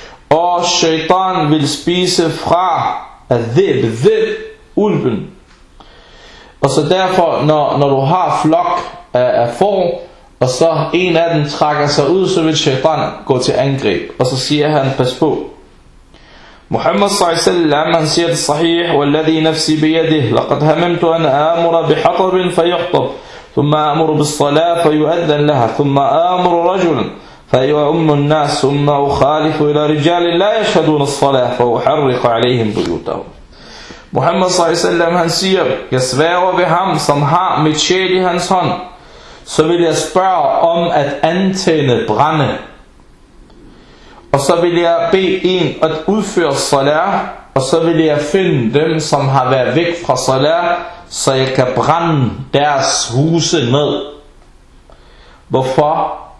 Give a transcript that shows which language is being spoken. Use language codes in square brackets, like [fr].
[da] Og shaitan vil spise fra dhib, ulven. Og så derfor, når du har flok af får, og så en af dem trækker sig ud, så vil shaitan gå til angreb. Og så siger han, pas på. Muhammad s.a.v. han siger det sahih, [ar] وَالَّذِي نَفْسِ بِيَدِهِ لَقَدْ هَمَمْتُ أَنْ أَمُرَ بِحَطَبٍ فَيُحْطَبْ ثُمَّ أَمُرُ بِالصَّلَاةِ فَيُؤَذَّنْ لَهَا ثُمَّ أَمُرُ رَجُلًا فَيُؤُمُّ النَّاسُ ثُمَّ أُخَالِفُ إِلَى رِجَالٍ لَا يَشْهَدُونَ الصَّلَاةَ فَأُحَرِّقُ عَلَيْهِمْ بُيُوتَهُمْ. [da] Muhammad صلى الله عليه وسلم han siger, jeg sværger ved ham, som har mit sjæl i hans hånd, så vil jeg spørge om at antænde brænde. Og så vil jeg bede en at udføre salat, og så vil jeg finde dem, som har været væk fra salat, så jeg kan brænde deres huse ned. Hvorfor?